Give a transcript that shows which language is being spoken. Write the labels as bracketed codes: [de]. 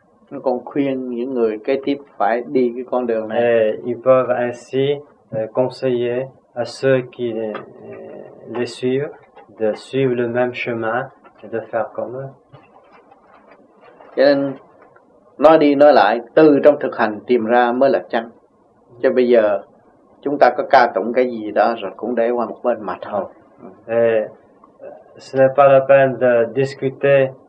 [vi] Nó còn khuyên những người kế tiếp phải đi cái con đường này. [fr] Et ils peuvent ainsi conseiller à ceux qui les suivent de suivre le même chemin et de faire comme eux. [vi] Cho nên, nói đi nói lại, từ trong thực hành tìm ra mới là chân. Cho bây giờ, chúng ta có ca tụng cái gì đó rồi cũng để qua một bên mà thôi. [fr] Et ce n'est pas la peine de discuter